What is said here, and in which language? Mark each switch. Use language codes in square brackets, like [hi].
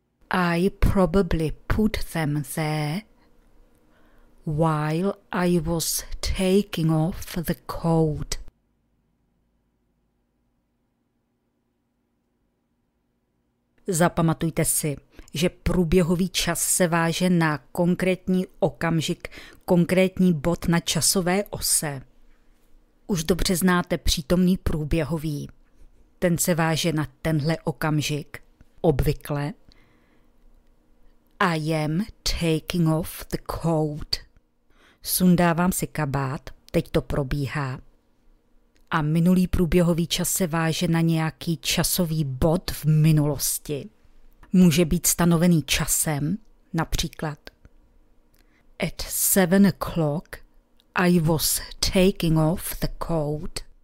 [en] I probably put them there while I was taking off the coat. [cs] Zapamatujte si, že průběhový čas se váže na konkrétní okamžik, konkrétní bod na časové ose. Už dobře znáte přítomný průběhový. Ten se váže na tenhle okamžik, obvykle. [en] I am taking off the coat. [cs] Sundávám si kabát, teď to probíhá. A minulý průběhový čas se váže na nějaký časový bod v minulosti. Může být stanovený časem, například. [en] At 7 o'clock I was taking off the coat.